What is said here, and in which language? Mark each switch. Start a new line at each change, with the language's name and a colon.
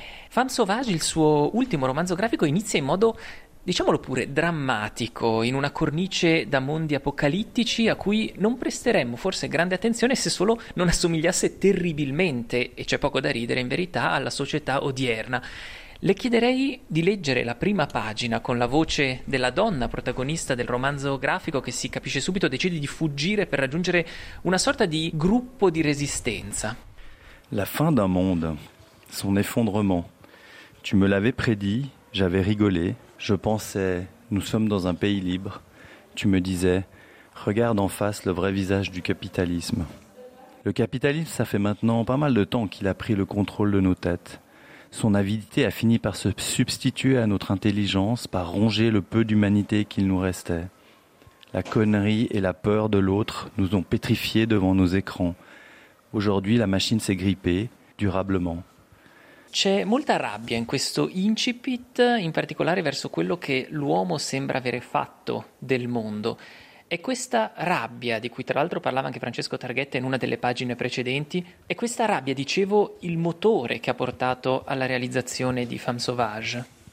Italian: Femme Sauvage, il suo ultimo romanzo grafico, inizia in modo, diciamolo pure, drammatico, in una cornice da mondi apocalittici a cui non presteremmo forse grande attenzione se solo non assomigliasse terribilmente, e c'è poco da ridere in verità, alla società odierna. Le chiederei di leggere la prima pagina con la voce della donna protagonista del romanzo grafico, che si capisce subito decide di fuggire per raggiungere una sorta di gruppo di resistenza.
French: La fin d'un monde, son effondrement. Tu me l'avais prédit, j'avais rigolé. Je pensais, nous sommes dans un pays libre. Tu me disais, regarde en face le vrai visage du capitalisme. Le capitalisme, ça fait maintenant pas mal de temps qu'il a pris le contrôle de nos têtes. Son avidité a fini par se substituer à notre intelligence, par ronger le peu d'humanité qu'il nous restait. La connerie et la peur de l'autre nous ont pétrifiés devant nos écrans. Aujourd'hui, la machine s'est grippée, durablement.
Italian: C'è molta rabbia in questo incipit, in particolare verso quello che l'uomo sembra avere fatto del mondo. E questa rabbia, di cui tra l'altro parlava anche Francesco Targhetta in una delle pagine precedenti, è questa rabbia, dicevo, il motore che ha portato alla realizzazione di Femme Sauvage.